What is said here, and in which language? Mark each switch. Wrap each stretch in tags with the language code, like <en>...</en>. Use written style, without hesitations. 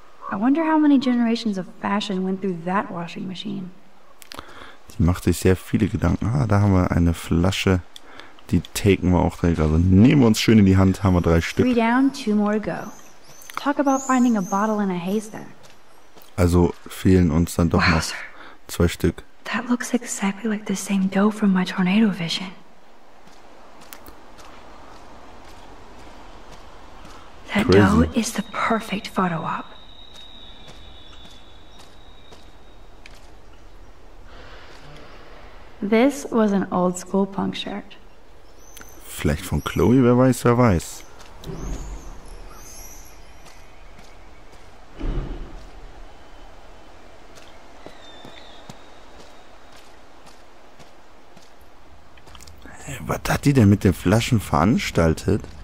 <en>I wonder how many generations of fashion went through that washing machine.</en> <de>Die macht sich sehr viele Gedanken. Ah, da haben wir eine Flasche. Die taken wir auch direkt. Also nehmen wir uns schön in die Hand, haben wir drei Stück.</de> <en>Three down, two more go. Talk about finding a bottle in a haystack.</en> <de>Also fehlen uns dann doch noch zwei Stück.</de> <en>That looks exactly like the same dough from my tornado vision. That dough is the perfect photo op. This was an old school punk shirt.</en> <de>Vielleicht von Chloe, wer weiß, wer weiß. Hey, Was hat die denn mit den Flaschen veranstaltet?</de>